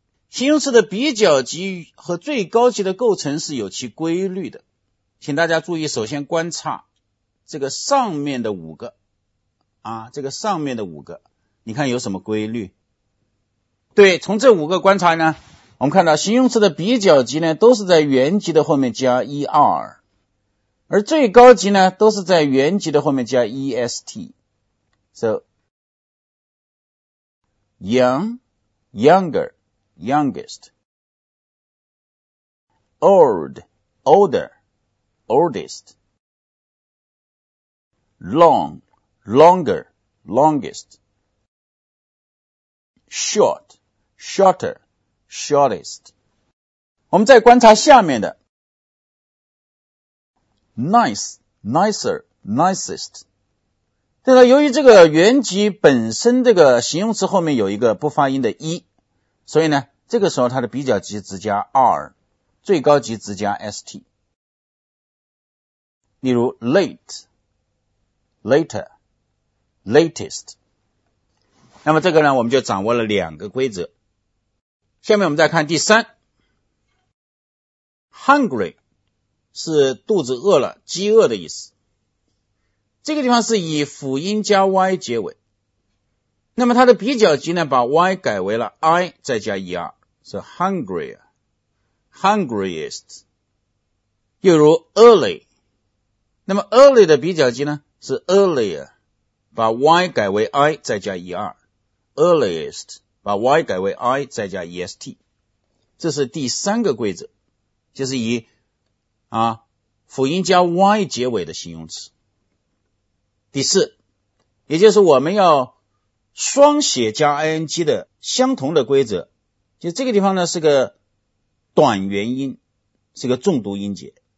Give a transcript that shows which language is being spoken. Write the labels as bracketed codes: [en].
[zh] 形容词的比较级和最高级的构成是有其规律的，请大家注意，首先观察这个上面的五个啊，这个上面的五个你看有什么规律。对，从这五个观察呢，我们看到形容词的比较级呢都是在原级的后面加 er， 而最高级呢都是在原级的后面加 est。 [en] So young, youngerYoungest, old, older, oldest, long, longer, longest, short, shorter, shortest. [zh] 我们再观察下面的 [en] nice, nicer, nicest. [zh] 对了，由于这个原级本身这个形容词后面有一个不发音的 e，所以呢这个时候它的比较级只加 r， 最高级只加 st。例如 [en] late, later, latest。 [zh] 那么这个呢我们就掌握了两个规则。下面我们再看第三， hungry 是肚子饿了，饥饿的意思。这个地方是以辅音加 y 结尾，那么它的比较级呢，把 y 改为了 i 再加 er， 是 [en] hungrier, hungriest。 [zh] 又如 early， 那么 early 的比较级呢是 earlier， 把 y 改为 i 再加 er， earliest， 把 y 改为 i 再加 est。这是第三个规则，就是以啊辅音加 y 结尾的形容词。第四，也就是我们要双写加 ing 的相同的规则，就这个地方呢是个短元音，是个重读音节。